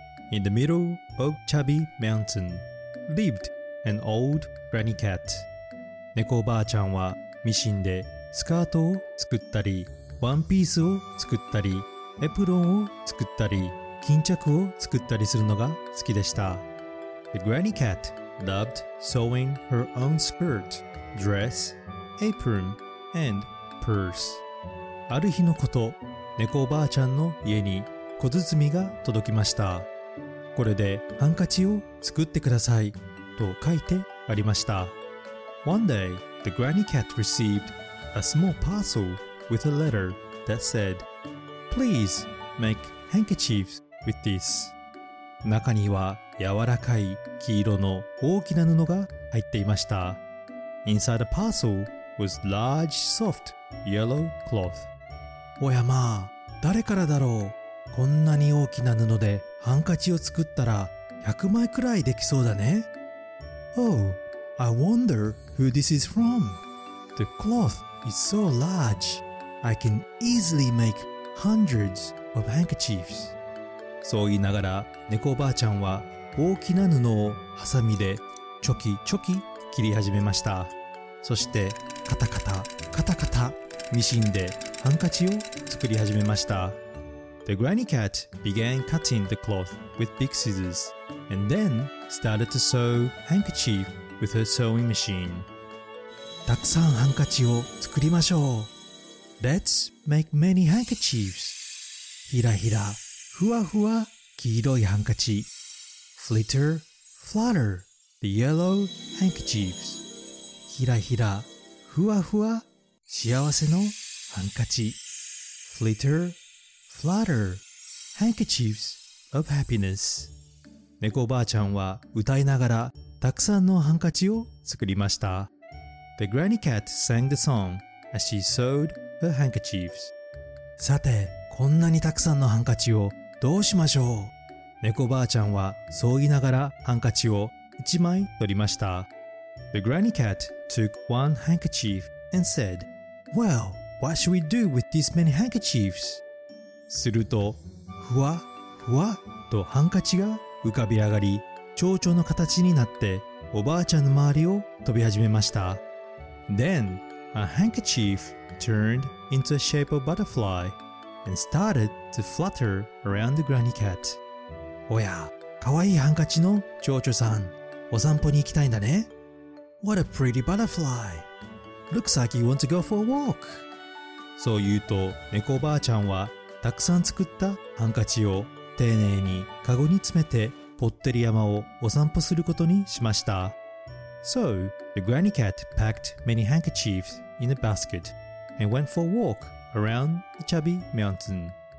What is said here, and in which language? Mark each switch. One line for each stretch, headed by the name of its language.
English: In the middle of Chubby Mountain lived an old granny cat。
Japanese: 猫ばあちゃんはミシンでスカートを作ったり、ワンピースを作ったり、エプロンを作ったり、巾着を作ったりするのが好きでした。
English: The granny cat loved sewing her own skirt, dress, apron, and purse.
Japanese: ある日のこと、猫おばあちゃんの家に小包が届きました。これでハンカチを作ってくださいと書いてありました。
English: One day, the granny cat received a small parcel with a letter that said, Please make handkerchiefs. With this.
Japanese: 中には柔らかい黄色の大きな布が入っていました。
English: Inside the parcel was large soft yellow cloth.
Japanese: おやまあ、誰からだろう。こんなに大きな布でハンカチを作ったら100枚くらいできそうだね。
English: Oh, I wonder who this is from. The cloth is so large, I can easily make hundreds of handkerchiefs.
Japanese: そう言いながら、猫おばあちゃんは大きな布をハサミでチョキチョキ切り始めました。そしてカタカタカタカタミシンでハンカチを作り始めました。
English: The granny cat began cutting the cloth with big scissors and then started to sew handkerchief with her sewing machine.
Japanese: たくさんハンカチを作りましょう。
English: Let's make many handkerchiefs.
Japanese: ひらひら。ふわふわ黄色いハンカチ。
English: Flitter, flutter, the yellow handkerchiefs.
Japanese: ひらひら、ふわふわ、幸せのハンカチ。
English: Flitter, flutter, handkerchiefs of happiness.
Japanese: 猫ばあちゃんは歌いながらたくさんのハンカチを作りました。
English: The granny cat sang the song as she sewed her handkerchiefs.
Japanese: さて、こんなにたくさんのハンカチをどうしましょう。猫ばあちゃんはそう言いながらハンカチを1枚取りました。
English: The granny cat took one handkerchief and said, Well, What should we do with these many handkerchiefs?
Japanese: すると、ふわふわとハンカチが浮かび上がり、蝶々の形になっておばあちゃんの周りを飛び始めました。
English: Then, a handkerchief turned into a shape of butterfly and started to flutter around the granny cat.
Japanese: おや、かわいいハンカチの蝶々さん、お散歩に行きたいんだね。
English: What a pretty butterfly! Looks like you want to go for a walk!
Japanese: そう言うと、猫おばあちゃんはたくさん作ったハンカチを丁寧にカゴに詰めてぽってり山をお散歩することにしました。
English: So, the granny cat packed many handkerchiefs in a basket and went for a walk around the chubby mountain.